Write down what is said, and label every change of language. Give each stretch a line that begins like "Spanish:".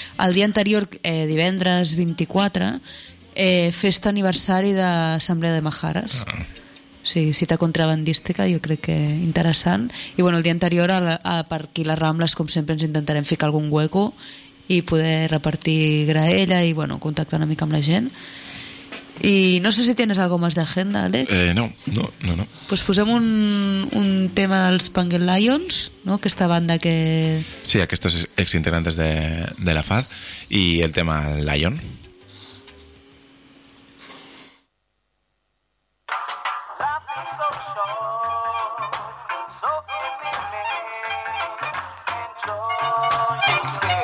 Catalan: El dia anterior, divendres 24, festa aniversari de l'Assemblea de Majares. Ah. O sigui, cita contrabandística, jo crec que interessant. I bueno, el dia anterior, per aquí les Rambles, com sempre, ens intentarem ficar algun hueco i poder repartir graella i bueno, contactar una mica amb la gent.
Spanish: Y no sé si tienes algo más de agenda, Alex. No. Pues
Catalan: posem un tema dels Pangle Lions, ¿no?
Spanish: Que esta banda que...
Catalan: Sí, aquestos exintegrantes de la FAD,
Spanish: y el tema
Catalan: Lion.
English: Life is so short, so keep it in, enjoy yourself.